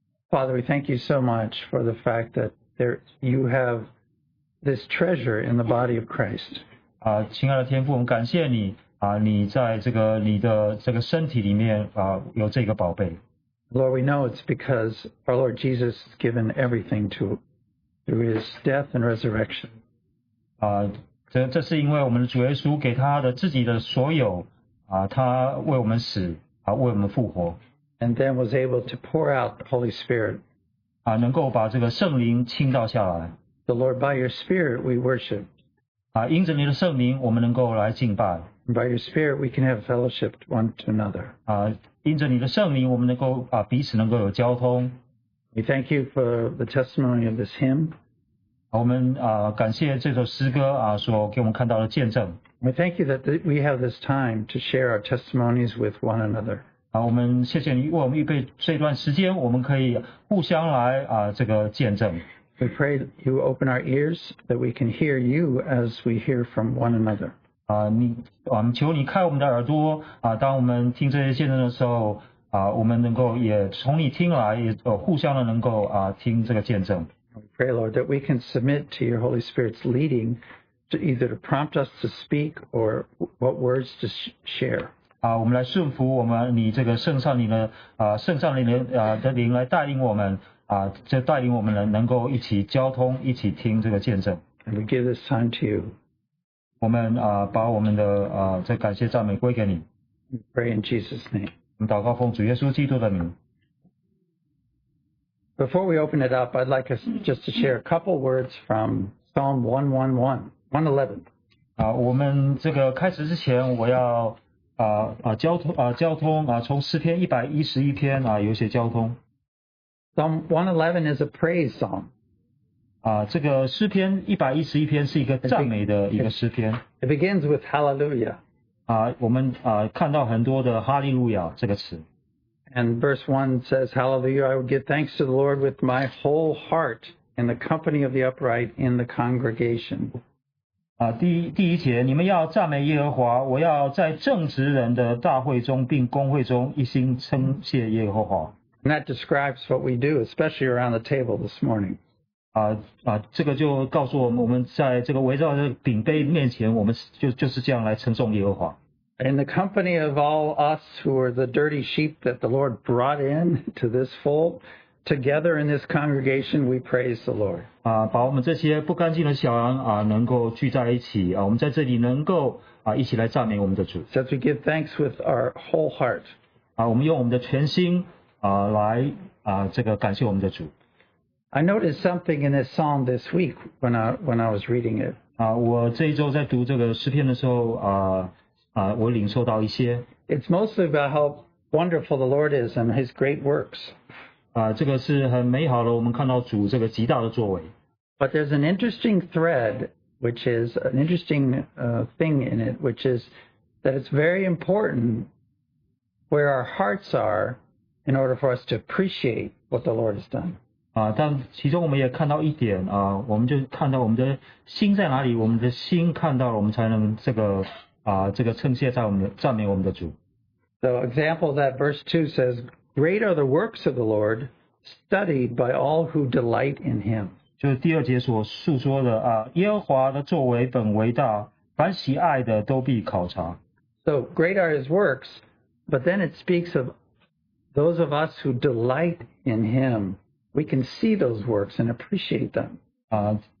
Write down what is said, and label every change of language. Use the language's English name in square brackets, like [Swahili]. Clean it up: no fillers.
[English] Father, we thank you so much for the fact that there you have this treasure in the body of Christ. [Chinese] 亲爱的天父，我们感谢你你在这个你的这个身体里面有这个宝贝。 [English] Lord, we know it's because our Lord Jesus has given everything to through his death and resurrection. [Chinese] 这是因为我们的主耶稣给他的自己的所有他为我们死为我们复活。 [English] And then was able to pour out the Holy Spirit. [Chinese] 能够把这个圣灵倾倒下来。 [English] The Lord, by your Spirit, we worship. [Chinese] 因着你的圣灵我们能够来敬拜。 [English] By your Spirit, we can have fellowship one to another. [Chinese] 因着你的圣灵我们能够彼此能够有交通。 [English] We thank you for the testimony of this hymn. [Chinese] 我们感谢这首诗歌所给我们看到的见证。 [English] We thank you that we have this time to share our testimonies with one another. [Chinese] 我们谢谢你为我们预备这段时间我们可以互相来这个见证。 [English] We pray that you open our ears that we can hear you as we hear from one another. [Chinese] 我们求你开我们的耳朵当我们听这些见证的时候我们能够也从你听来也互相的能够听这个见证。 [English] We pray, Lord, that we can submit to your Holy Spirit's leading to either to prompt us to speak or what words to share. [Chinese] 我们来顺服我们你这个圣上灵的圣上灵的灵来带领我们就带领我们能够一起交通一起听这个见证。 [English] And we give this time to you. [Chinese] 我们把我们的这感谢赞美归给你。 [English] We pray in Jesus' name. [Chinese] 我们祷告奉主耶稣基督的名。 [English] Before we open it up, I'd like us just to share a couple words from Psalm 111. [Chinese] 我们这个开始之前，我要从诗篇111篇有些交通。 [English] Psalm 111 is a praise psalm. [Chinese] 这个诗篇111篇是一个赞美的一个诗篇。 [English] It begins with Hallelujah. [Chinese] 我们看到很多的哈利路亚这个词。 [English] And verse 1 says, Hallelujah, I will give thanks to the Lord with my whole heart in the company of the upright in the congregation. [Chinese] 第一节，你们要赞美耶和华，我要在正直人的大会中并公会中一心称谢耶和华。 [English] And that describes what we do, especially around the table this morning. [Chinese] 这个就告诉我们，我们在这个围绕的饼杯面前，我们就是这样来称颂耶和华。 [English] In the company of all us who are the dirty sheep that the Lord brought in to this fold, together in this congregation, we praise the Lord. [Chinese] 把我们这些不干净的小羊能够聚在一起我们在这里能够一起来赞美我们的主。 [English] So we give thanks with our whole heart. [Chinese] 我们用我们的全心来这个感谢我们的主。 [English] I noticed something in this psalm this week when I was reading it. [Chinese] 我这一周在读这个诗篇的时候我领受到一些。 [English] It's mostly about how wonderful the Lord is and his great works. [Chinese] 这个是很美好的我们看到主这个极大的作为。 [English] But there's an interesting thread, which is an interesting thing in it, which is that it's very important where our hearts are in order for us to appreciate what the Lord has done. [Chinese] 但其中我们也看到一点我们就看到我们的心在哪里，我们的心看到了，我们才能这个称谢在我们的赞美我们的主。 [English] So example that verse 2 says, "Great are the works of the Lord, studied by all who delight in Him." [Chinese] 就是第二节所述说的耶和华的作为本为大，凡喜爱的都必考察。 [English] So great are His works, but then it speaks of those of us who delight in Him. We can see those works and appreciate them.